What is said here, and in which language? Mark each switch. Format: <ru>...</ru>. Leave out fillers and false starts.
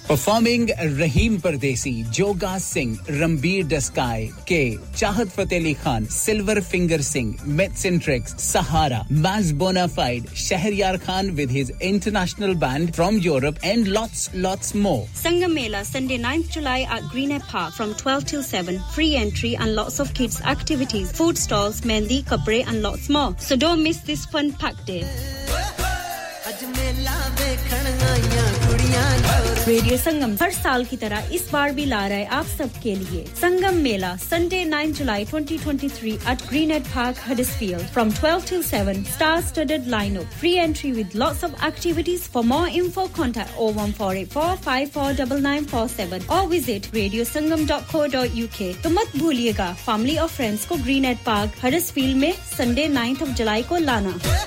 <en>Performing Rahim Pardesi Joga Singh Ranbir डस्काय के Chahat Fateh Ali Khan silver finger Singh mates and tricks Sahara मैज bonafide Shahryar Khan with his international band from Europe and lots lots more Sangam Mela Sunday 9th July at Greenhead park from 12 till 7 free entry and lots of kids activities food stalls Mehndi, kapre and lots more. So don't miss this fun packed day.</en> <hi>Radio संगम हर साल की तरह इस बार भी ला रहा है आप सबके लिए संगम मेला Sunday 9 July 2023</hi> <en>at Greenhead park Huddersfield from 12 till 7 star studded lineup free entry with lots of activities for more info contact</en> <hi>01484549947 और विजिट radiosangam.co.uk तो मत भूलिएगा फैमिली और फ्रेंड्स को ग्रीनहेड पार्क हडिसफील्ड में संडे 9th ऑफ जुलाई को लाना</hi>